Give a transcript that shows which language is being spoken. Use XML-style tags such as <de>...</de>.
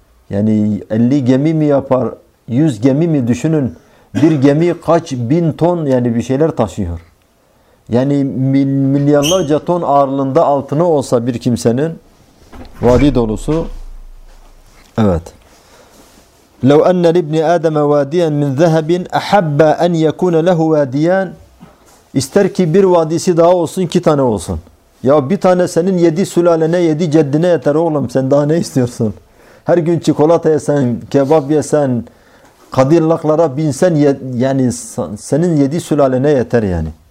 <tr>Yani 50 gemi mi yapar? 100 gemi mi düşünün? Bir gemi kaç bin ton yani bir şeyler taşıyor. Yani milyarlarca ton ağırlığında altını olsa bir kimsenin vadi dolusu. Evet.</tr> <ar>لو أن لابن آدم واديا من ذهب أحب أن يكون له واديان.</ar> <tr>İster ki bir vadisi daha olsun, iki tane olsun. Ya bir tane senin yedi sülalene, yedi ceddine yeter oğlum. Sen daha ne istiyorsun? Her gün çikolata yesen, kebap yesen, kadirlaklara binsen yani senin yedi sülalene yeter yani.</tr>